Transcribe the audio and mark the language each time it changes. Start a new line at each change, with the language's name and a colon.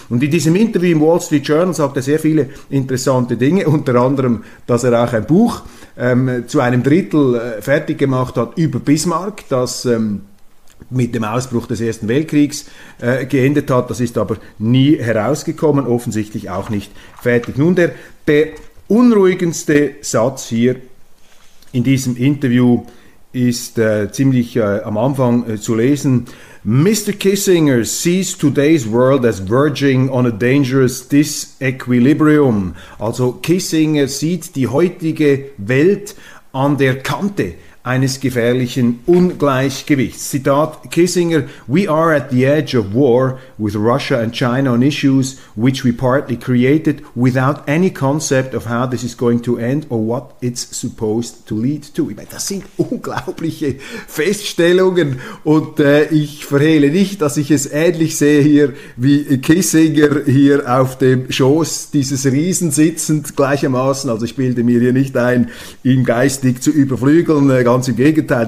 German: Und in diesem Interview im Wall Street Journal sagt er sehr viele interessante Dinge, unter anderem, dass er auch ein Buch zu einem Drittel fertig gemacht hat über Bismarck, das mit dem Ausbruch des Ersten Weltkriegs geendet hat. Das ist aber nie herausgekommen, offensichtlich auch nicht fertig. Nun, der beunruhigendste Satz hier in diesem Interview ist ziemlich am Anfang zu lesen.
English: Mr. Kissinger sees today's world as verging on a dangerous disequilibrium.
German: Also Kissinger sieht die heutige Welt an der Kante eines gefährlichen Ungleichgewichts.
English: Zitat Kissinger, we are at the edge of war with Russia and China on issues which we partly created without any concept of how this is going to end or what it's supposed to lead to.
German: Ich meine, das sind unglaubliche Feststellungen und ich verhehle nicht, dass ich es ähnlich sehe hier, wie Kissinger hier auf dem Schoß dieses Riesen sitzend gleichermaßen, also ich bilde mir hier nicht ein, ihn geistig zu überflügeln, ganz im Gegenteil.